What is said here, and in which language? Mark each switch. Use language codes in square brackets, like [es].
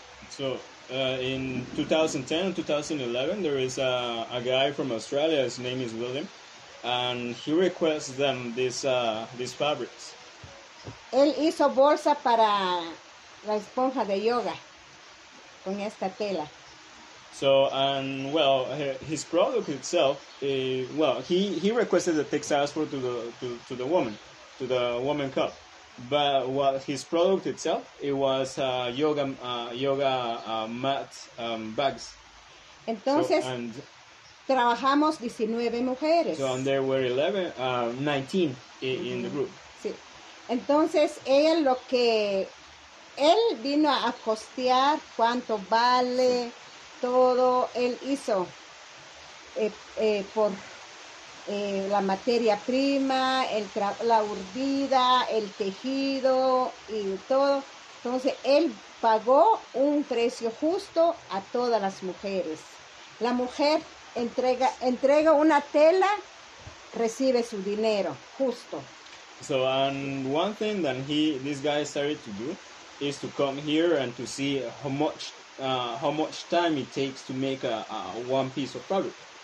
[en] So, in 2010-2011, there is a guy from Australia, his name is William, and he requests them these fabrics. [es] Él hizo bolsa para la esponja de yoga con esta tela. [en] So, and, well, his product itself, he requested the textiles for to the woman cup. But what his product itself, it was yoga mat bags. [es] Entonces, so, and, trabajamos 19 mujeres. [en] So and there were 19 mm-hmm. in the group. [es] Sí. Entonces, él vino a costear cuánto vale todo. Él hizo por... la materia prima, la urdida, el tejido y todo. Entonces, él pagó un precio justo a todas las mujeres. La mujer entrega una tela, recibe su dinero, justo. [en] So, and one thing that this guy started to do is to come here and to see how much time it takes to make a one piece of fabric.